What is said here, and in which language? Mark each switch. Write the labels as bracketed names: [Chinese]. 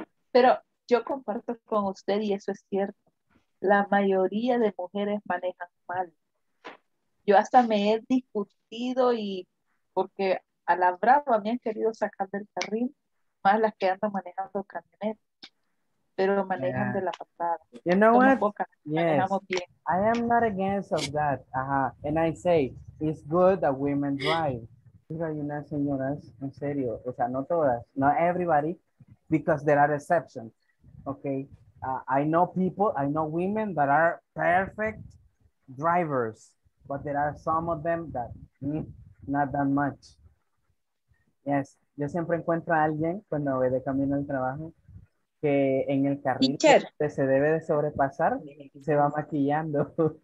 [Spanish] Pero yo comparto con usted y eso es cierto. La mayoría de mujeres manejan mal. Yo hasta me he discutido y porque a la brava me han querido sacar del carril, más las que andan manejando camioneta, pero manejan de la patada. [English] You know what? Yes. I am not against of that. And I say it's good that women drive. [Spanish] Hay unas señoras, en serio, o sea, no todas, [English] not everybody, because there are exceptions, okay? I know women that are perfect drivers, but there are some of them that, not that much. [Spanish] Yes, yo siempre encuentro a alguien cuando voy de camino al trabajo, que en el carril que se debe de sobrepasar, se va maquillando.